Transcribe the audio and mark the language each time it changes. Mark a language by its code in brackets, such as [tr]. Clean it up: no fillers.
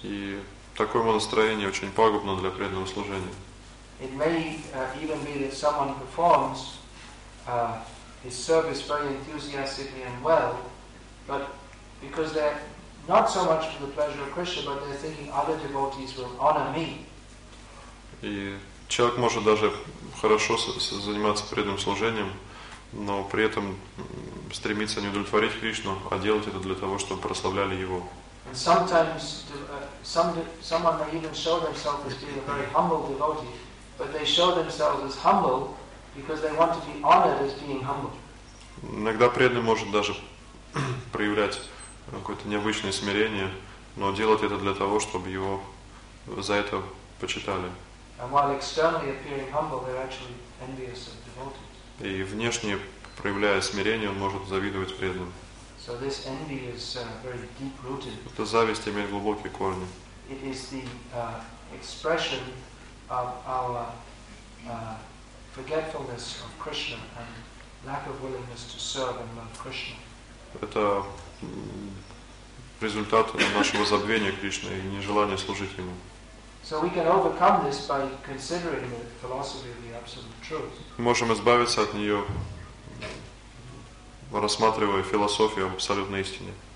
[ru] И такое настроение очень пагубно для преданного служения. [en] It may even be that someone performs his service very enthusiastically and well, but because they're not so much for the pleasure of Krishna, but they're thinking other devotees will honor me. [ru] И человек может даже хорошо заниматься преданным служением, но при этом стремиться не удовлетворить Кришну, а делать это для того, чтобы прославляли Его. [en] And sometimes someone may even show themselves as being a very humble devotee, but they show themselves as humble because they want to be honored as being humble. [ru] Иногда преданный может даже проявлять какое-то необычное смирение, но делать это для того, чтобы его за это почитали. [en] And while externally appearing humble, they're actually envious of devotees. [ru] И внешне проявляя смирение, он может завидовать преданным. [en] So this envy is very deep-rooted. [ru] Эта зависть имеет глубокие корни. [en] It is the expression of our forgetfulness of Krishna and lack of willingness to serve and love Krishna. [ru] Это результат нашего забвения Кришны и нежелания служить Ему. [en] So we can overcome this by considering the philosophy of the absolute truth. [ru] Мы можем избавиться от нее, рассматривая философию абсолютной истины.